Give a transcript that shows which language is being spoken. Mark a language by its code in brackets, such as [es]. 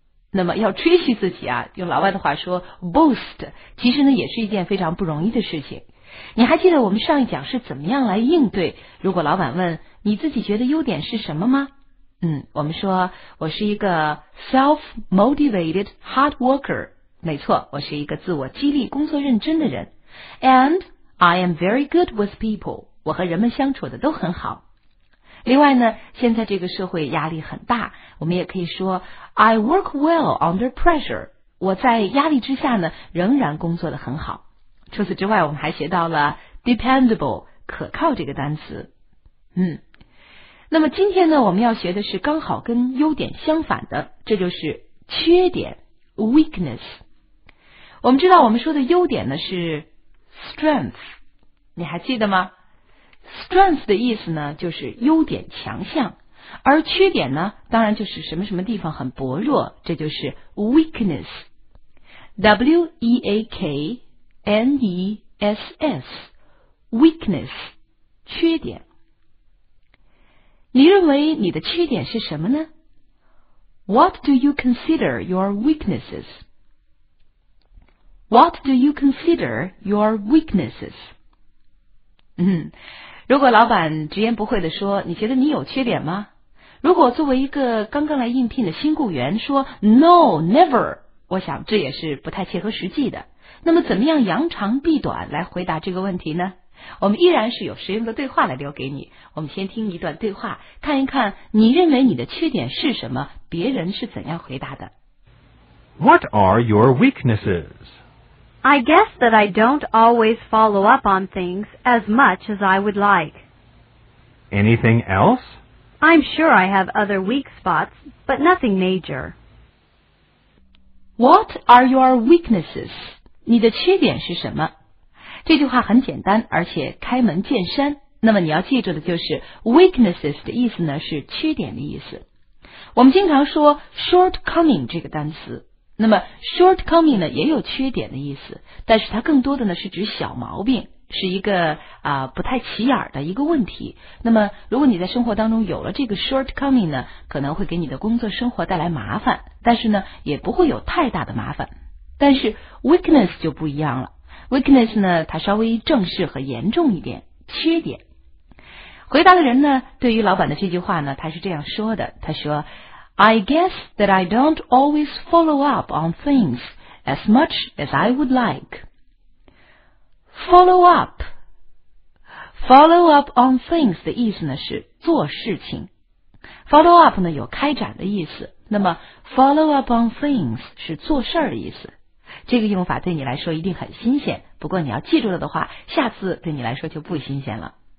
[zh] 那么要吹嘘自己啊，用老外的话说 boast， 其实呢也是一件非常不容易的事情。你还记得我们上一讲是怎么样来应对如果老板问你自己觉得优点是什么吗？我们说我是一个 [en] self-motivated hard worker， [zh] 没错，我是一个自我激励工作认真的人。 [en] And I am very good with people， [zh] 我和人们相处的都很好。另外呢，现在这个社会压力很大，我们也可以说 [en] I work well under pressure， [zh] 我在压力之下呢仍然工作的很好。除此之外，我们还学到了 dependable， 可靠这个单词。那么今天呢，我们要学的是刚好跟优点相反的，这就是缺点 weakness。我们知道我们说的优点呢是 strength， 你还记得吗？ Strength 的意思呢就是优点强项，而缺点呢当然就是什么什么地方很薄弱，这就是 weakness， W-E-A-K-N-E-S-S weakness 缺点。你认为你的缺点是什么呢？ [en] What do you consider your weaknesses? What do you consider your weaknesses? [zh] 如果老板直言不讳地说，你觉得你有缺点吗？如果作为一个刚刚来应聘的新雇员说 [en] No, never， [zh] 我想这也是不太切合实际的。那么怎么样扬长避短来回答这个问题呢？我们依然是有实用的对话来留给你，我们先听一段对话，看一看你认为你的缺点是什么，别人是怎样回答的。 [en] What are your weaknesses? I guess that I don't always follow up on things as much as I would like. Anything else? I'm sure I have other weak spots, but nothing major. What are your weaknesses? [zh] 你的缺点是什么？这句话很简单，而且开门见山。那么你要记住的就是 weaknesses 的意思呢，是缺点的意思。我们经常说 shortcoming 这个单词。那么 shortcoming 呢也有缺点的意思，但是它更多的呢是指小毛病，是一个不太起眼的一个问题。那么如果你在生活当中有了这个 shortcoming 呢，可能会给你的工作生活带来麻烦，但是呢也不会有太大的麻烦。但是 weakness 就不一样了， weakness 呢它稍微正式和严重一点，缺点。回答的人呢对于老板的这句话呢他是这样说的，他说 [en] I guess that I don't always follow up on things as much as I would like. Follow up. Follow up on things [zh] 的意思呢是做事情。 Follow up 呢有开展的意思，那么 [en] follow up on things [zh] 是做事儿的意思。这个用法对你来说一定很新鲜，不过你要记住了的话，下次对你来说就不新鲜了。